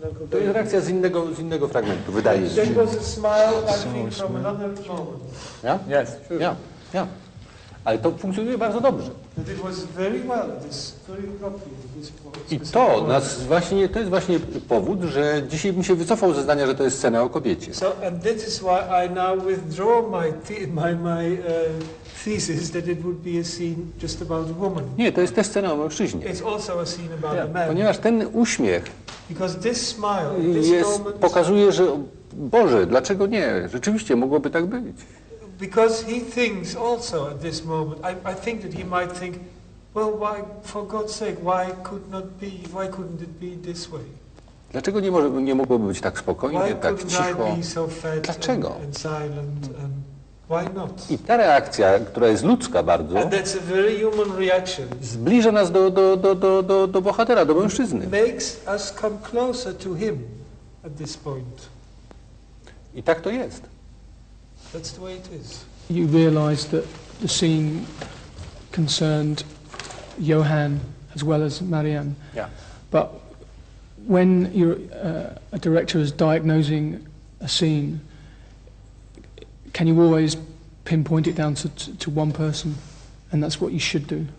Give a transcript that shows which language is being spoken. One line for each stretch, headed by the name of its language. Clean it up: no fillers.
Polish: To jest reakcja z innego fragmentu, wydaje się.
English: There was a smile, I think, from another moment.
Polish: Ja?
English: Yes, sure.
Polish: Ja. Ale to funkcjonuje bardzo dobrze.
English: But it was very well, this very appropriate.
Polish: I to nas właśnie, to jest właśnie powód, że dzisiaj bym się wycofał ze zdania, że to jest scena o kobiecie.
English: So, and this is why I now withdraw my thesis that it would be a scene just about a woman.
Polish: Nie, to jest też scena o mężczyźnie.
English: It's also a scene about a man.
Polish: Ponieważ ten uśmiech
English: because this smile, this
Polish: jest,
English: moment,
Polish: pokazuje, że Boże, dlaczego nie? Rzeczywiście mogłoby tak być.
English: Because he thinks also at this moment, I think that he might think, well, why, for God's sake, why couldn't it be this way?
Polish: Dlaczego nie mogłoby być tak spokojnie,
English: why
Polish: tak cicho?
English: I be so fat
Polish: dlaczego?
English: And silent and why not?
Polish: I ta reakcja, która jest ludzka bardzo,
English: and that's a very human reaction,
Polish: zbliża nas do bohatera, do mężczyzny.
English: Makes us come closer to him at this point. I tak to jest. That's the way it is. You realize that the scene concerned Johan as well as Marianne. Yeah. But when you're a director is diagnosing a scene, can you always pinpoint it down to one person? And that's what you should do.